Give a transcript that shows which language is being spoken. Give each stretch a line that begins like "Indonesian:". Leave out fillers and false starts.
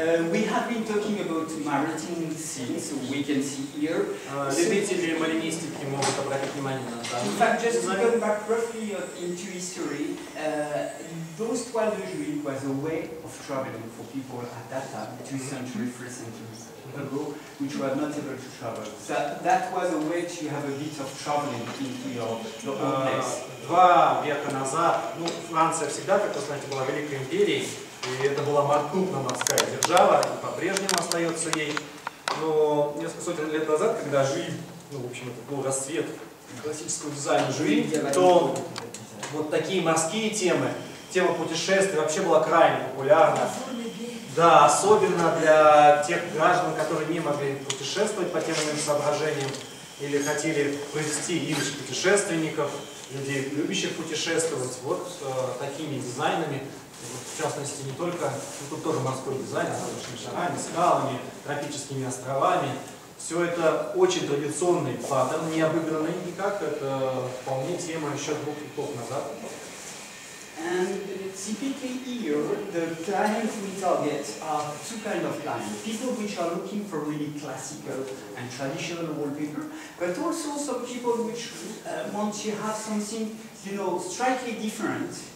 English: We have been talking about maritime scene, so we can see here.
Russian: Любители маринистики могут обратить внимание на данный.
English: In fact, just to go back roughly into history, those 12 juillet was a way of traveling for people at that time, 2 centuries, 3 centuries ago, which were not able to travel. So that was a way to have a bit of traveling into your own place.
Russian: 2 века назад, ну, Франция всегда, как вы знаете, была великой империей. И это была крупная морская держава, и по-прежнему остается ей. Но несколько сотен лет назад, когда Жюи, ну, в общем, это был расцвет классического дизайна Жюи, то вот такие морские темы, тема путешествий вообще была крайне популярна. Да, особенно для тех граждан, которые не могли путешествовать по тем иным соображениям, или хотели провести имидж путешественников, людей, любящих путешествовать, вот такими дизайнами. В частности, не только, ну, тут тоже морской дизайн, с большими шарами, скалами, тропическими островами. Все это очень традиционный паттерн, не обыгранный никак, это вполне тема еще 2 веков назад.
English: And typically here, the clients we target are two kinds of clients. People which are looking for really classical and traditional wallpaper, but also some people which want to have something, you know, strikingly different.